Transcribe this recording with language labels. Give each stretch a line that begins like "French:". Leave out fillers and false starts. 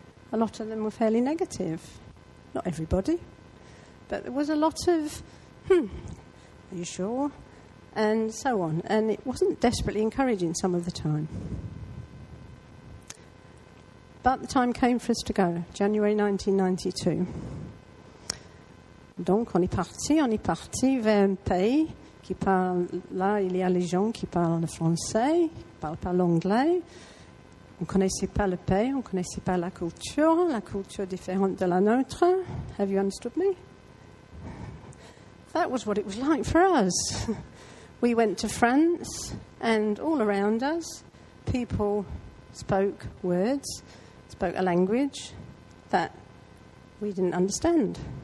English: A lot of them were fairly negative. Not everybody. But there was a lot of, "Are you sure?" and so on. And it wasn't desperately encouraging some of the time. But the time came for us to go, January 1992.
French: Donc, on est parti vers un pays qui parle, là, il y a les gens qui parlent le français, qui parlent pas l'anglais. On connaissait pas le pays, on connaissait pas la culture différente de la nôtre.
English: Have you understood me? That was what it was like for us. We went to France, and all around us, people spoke words, spoke a language that we didn't understand.